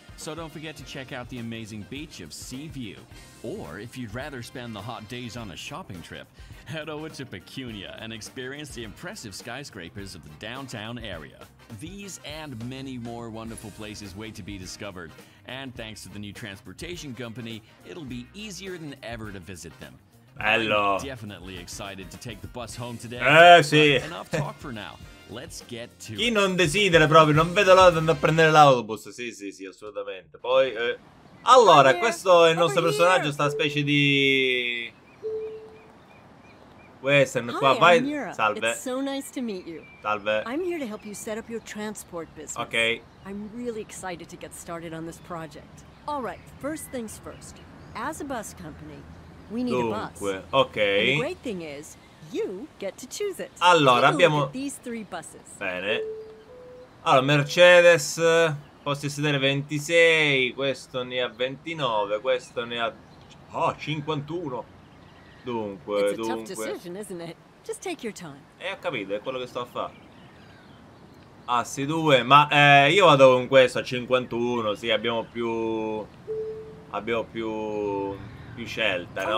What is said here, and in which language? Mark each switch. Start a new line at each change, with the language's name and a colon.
English: So don't forget to check out the amazing beach of Sea View. Or if you'd rather spend the hot days on a shopping trip, head over to Pecunia and experience the impressive skyscrapers of the downtown area. These and many more wonderful places wait to be discovered. And thanks to the new transportation company, it'll be easier than ever to visit them. Hello. I'm definitely excited to take the bus home today.
Italian: Sì.
English: Enough talk for now. Let's get to
Italian: chi non desidera proprio, non vedo l'ora di andare a prendere l'autobus. Sì, assolutamente. Poi allora, questo è il nostro personaggio, sta specie di western qua. Vai, salve.
English: It's so nice to meet you.
Italian: Salve.
English: I'm here to help you set up your transport business. Okay. I'm really excited to get started on this project. All right, first things first. As a bus company, we need
Italian: dunque,
English: a bus.
Italian: Ok.
English: And the great thing is you get to choose it.
Italian: Allora, abbiamo
English: these three buses.
Italian: Bene. Allora, Mercedes, posti sedere 26, questo ne ha 29, questo ne ha 51. Dunque.
English: It's a tough decision, isn't it? Just take your time.
Italian: Ho capito, è quello che sto a fare. Assi 2, ma io vado con questo a 51, sì, abbiamo più scelta, no?